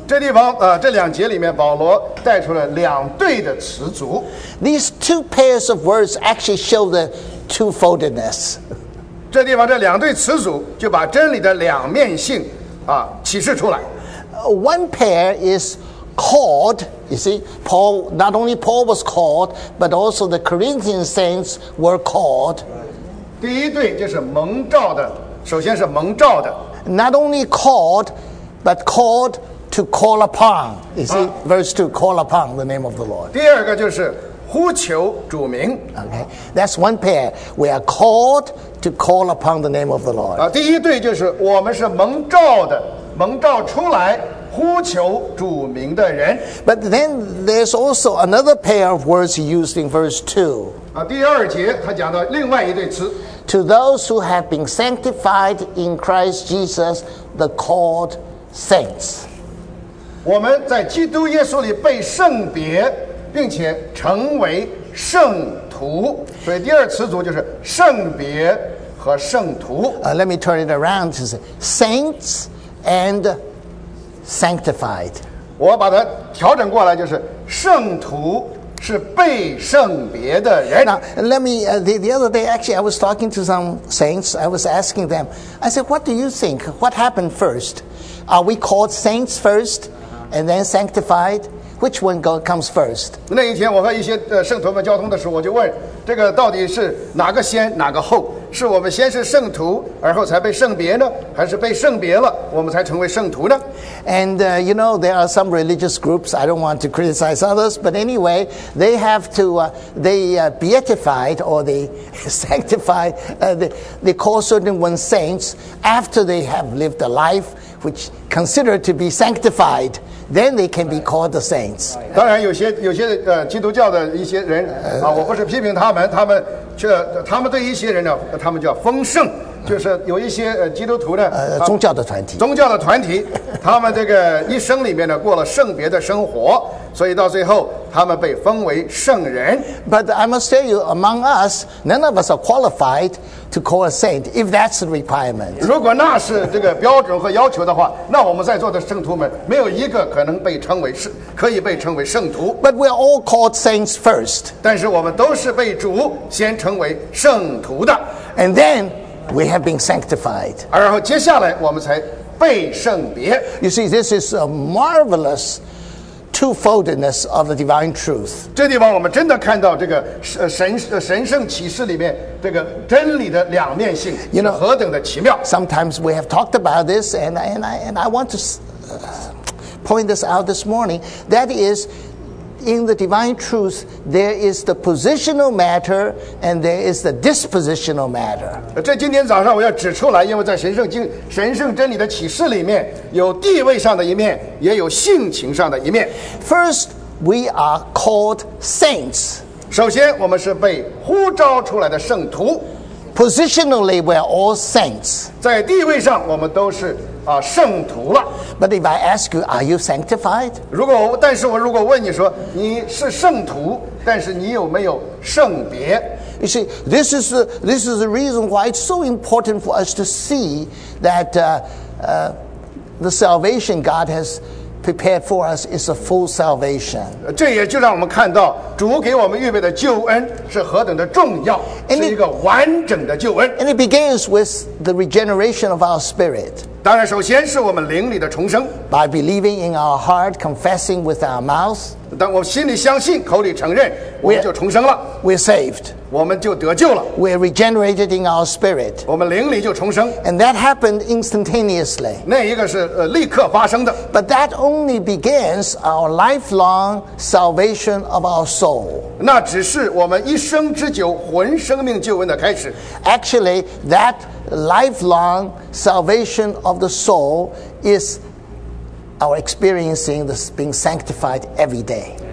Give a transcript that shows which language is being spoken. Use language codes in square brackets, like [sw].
[zh] 这地方，这两节里面，保罗带出了两对的词组。 [en] These two pairs of words actually show the twofoldness. [zh] 这地方这两对词组就把真理的两面性，启示出来。 [en] One pair is called, you see, Paul, not only Paul was called, but also the Corinthian saints were called. [zh] 第一对就是蒙召的，首先是蒙召的。 [en] Not only called, but called to call upon. You see, verse 2, call upon the name of the Lord. [zh] 第二个就是呼求主名。 [en] Okay, that's one pair. We are called to call upon the name of the Lord. [zh] 第一对就是我们是蒙召的，蒙召出来呼求主名的人。 [en] But then there's also another pair of words used in verse 2. [zh] 第二节他讲到另外一对词。 [en] To those who have been sanctified in Christ Jesus, the called saints. [zh] 我们在基督耶稣里被圣别，并且成为圣徒。所以第二词组就是圣别和圣徒。 [en] Let me turn it around to say saints and sanctified. [zh] 我把它调整过来，就是圣徒是被圣别的人。 [en] Now, let me, the other day, actually, I was talking to some saints. I was asking them, I said, what do you think? What happened first? Are we called saints first and then sanctified? Which one comes first? [zh] 那一天我和一些圣徒们交通的时候，我就问，这个到底是哪个先哪个后？是我们先是圣徒，而后才被圣别呢？还是被圣别了，我们才成为圣徒呢？ [en] And you know, there are some religious groups, I don't want to criticize others, but anyway, they have to, beatified or they sanctify, they call certain ones saints after they have lived a life which considered to be sanctified. Then they can be called the saints. [zh] 当然有些基督教的一些人啊，我不是批评他们，他们对一些人呢，他们叫丰盛，就是有一些基督徒呢，宗教的团体，宗教的团体，他们这个一生里面呢过了圣别的生活，所以到最后他们被封为圣人。 [en] But I must tell you, among us, none of us are qualified to call a saint if that's the requirement. [zh] 如果那是这个标准和要求的话，那我们在座的圣徒们没有一个可能被称为圣，可以被称为圣徒。 [en] But we are all called saints first. [zh] 但是我们都是被主先称为圣徒的。 [en] And then we have been sanctified. [zh] 而后接下来我们才被圣别。 [en] You see, this is a marvelous twofoldness of the divine truth. [zh] 这地方我们真的看到这个神圣启示里面这个真理的两面性， [en] you know, [zh] 何等的奇妙。 [en] Sometimes we have talked about this, and I want to point this out this morning. That is. In the divine truth, there is the positional matter and there is the dispositional matter. [zh] 这今天早上我要指出来，因为在神圣真理的启示里面，有地位上的一面，也有性情上的一面。 [en] First, we are called saints. [zh] 首先，我们是被呼召出来的圣徒。 [en] Positionally, we are all saints. [zh] 在地位上，我们都是圣徒了。 [en] But if I ask you, are you sanctified? [zh] 但是我如果问你说你是圣徒，但是你有没有圣别？ [en] You see, this is the reason why it's so important for us to see that the salvation God has prepared for us is a full salvation. [zh] 这也就让我们看到主给我们预备的救恩是何等的重要，是一个完整的救恩。 [en] And it begins with the regeneration of our spirit. [zh] 当然首先是我们灵里的重生。 [en] By believing in our heart, confessing with our mouth, [zh] 当我们心里相信，口里承认，我们就重生了。 [en] We're saved. [zh] 我们就得救了。 [en] We're regenerated in our spirit. [zh] 我们灵里就重生。 [en] And that happened instantaneously. [zh] 那一个是立刻发生的。 [en] But that only begins our lifelong salvation of our soul. [zh] 那只是我们一生之久魂生命救恩的开始。 [en] Actually, that lifelong salvation of the soul is our experiencing this being sanctified every day.